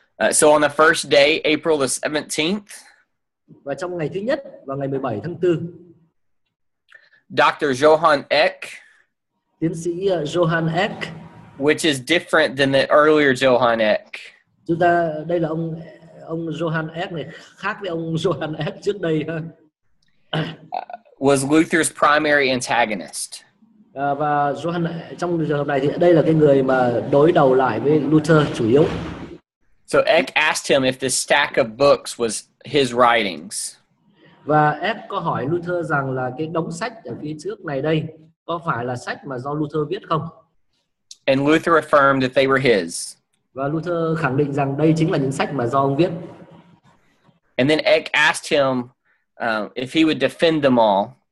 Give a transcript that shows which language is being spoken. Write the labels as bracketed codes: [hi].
[en] So on the first day, April the 17th, [vi] và trong ngày thứ nhất vào ngày 17 tháng 4, [en] Dr. Johann Eck, [vi] tiến sĩ Johann Eck, [en] which is different than the earlier Johann Eck. [vi] Chúng ta đây là ông Johann Eck này khác với ông Johann Eck trước đây ha. [en] Was Luther's primary antagonist. [vi] Và Johann trong trường hợp này thì đây là cái người mà đối đầu lại với Luther chủ yếu. [en] So Eck asked him if this stack of books was his writings. [vi] Và Eck có hỏi Luther rằng là cái đống sách ở phía trước này đây có phải là sách mà do Luther viết không? [en] And Luther affirmed that they were his. [vi] Và Luther khẳng định rằng đây chính là những sách mà do ông viết. [en] And then Eck asked him if he would defend them all.